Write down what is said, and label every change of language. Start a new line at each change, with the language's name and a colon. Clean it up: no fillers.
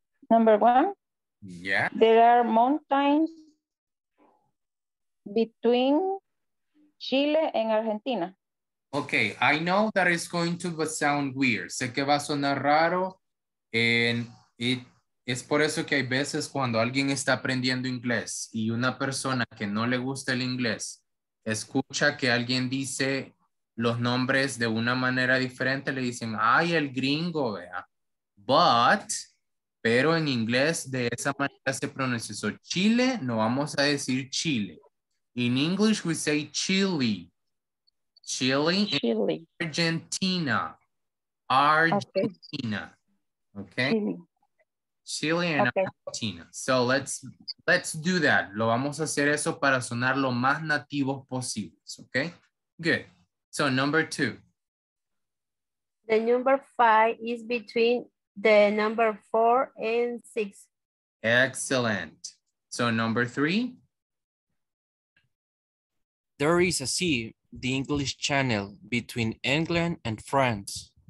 English: Number one. Yeah. There are mountains between Chile and Argentina. Okay, I know that is going to sound weird.
Spanish: Sé que va a sonar raro. And it es por eso que hay veces cuando alguien está aprendiendo inglés y una persona que no le gusta el inglés escucha que alguien dice los nombres de una manera diferente, le dicen, ay, el gringo, vea. But... pero en inglés de esa manera se pronuncia.
English: So Chile,
Spanish: no vamos a decir Chile.
English: In English we say Chile. Chile. Chile. Argentina. Argentina. Okay. Chile. Chile and okay. Argentina. So let's do that.
Spanish: Lo vamos a hacer eso para sonar lo más nativos posibles.
English: Okay. Good. So number two. The number five is between the number four and six. Excellent. So number three. There is a sea, the English Channel, between England and France.